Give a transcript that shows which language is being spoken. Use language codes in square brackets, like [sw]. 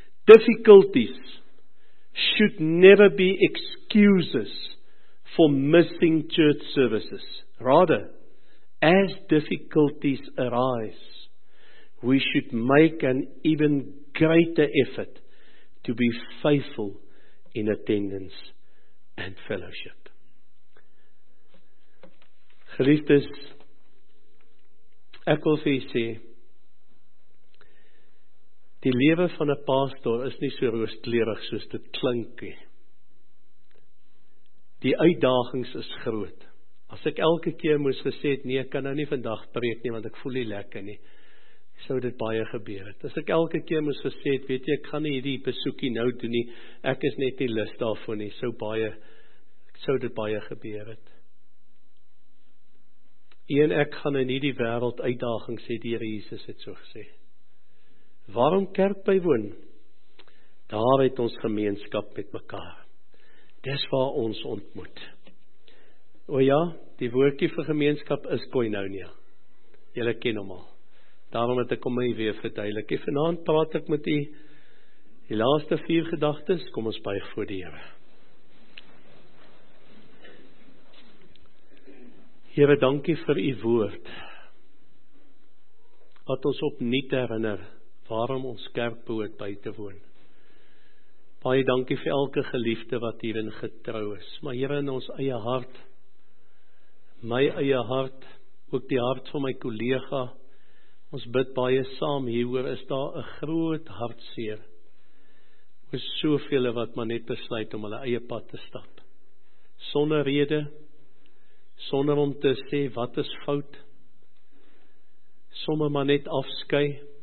[en] Difficulties should never be excuses for missing church services. Rather, as difficulties arise, we should make an even greater effort to be faithful in attendance and fellowship. [af] Geliefdes, ek wil vir jy sê, die lewe van 'n pastor is nie so rooskleurig soos dit klink nie. Die uitdagings is groot. As ek elke keer moes gesê het, nee, ek kan nou nie vandag preek nie, want ek voel nie lekker nie, sou dit baie gebeur het. As ek elke keer moes gesê het, weet jy, ek gaan nie hierdie besoekie nou doen nie, ek is net nie lus daarvoor nie, sou dit baie gebeur het. En ek gaan in hierdie wêreld uitdagings sê, die Here Jesus het so gesê. Waarom kerk bywoon? Daar het ons gemeenskap met mekaar. Dis waar ons ontmoet. O ja, die woordjie vir gemeenskap is koinonia. Julle ken hom al. Daarom het ek kom my weer verduidelik. En vanaand praat ek met u die laaste 4 gedagtes. Kom ons buig voor die Here. Here, dankie vir u woord. Wat ons opnuut herinner waarom ons kerk behoort by te woon. Baie dankie vir elke geliefde wat hierin getrou is. Maar Here, in ons eie hart, my eie hart, ook die hart van my kollega, ons bid baie saam hieroor, is daar 'n groot hartseer. Oor soveel wat maar net besluit om hulle eie pad te stap. Sonder rede, sonder om te sê wat is fout, sommer maar net afskei.